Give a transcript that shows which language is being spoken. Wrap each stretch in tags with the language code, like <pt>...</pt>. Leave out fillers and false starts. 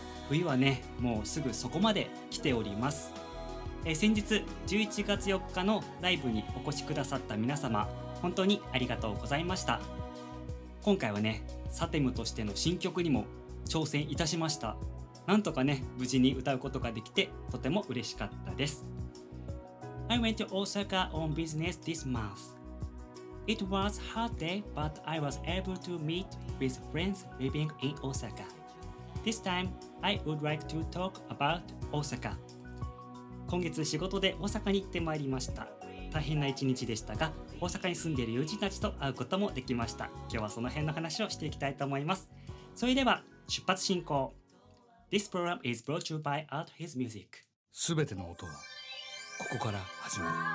<ja>冬はね、もうすぐそこまで来ております。先日11月4日のライブにお越しくださった皆様、本当にありがとうございました。今回はね、サテムとしての新曲にも挑戦いたしました。なんとかね、無事に歌うことができてとても嬉しかったです。</ja> <en>I went to Osaka on business this monthIt was a hard day, but I was able to meet with friends living in Osaka. This time, I would like to talk about Osaka.</en> <ja>今月仕事で大阪に行ってまいりました。大変な一日でしたが、大阪に住んでいる友人たちと会うこともできました。今日はその辺の話をしていきたいと思います。それでは、出発進行。</ja> <en>This program is brought to you by Art His Music.</en> <ja>全ての音は、ここから始まる。</ja>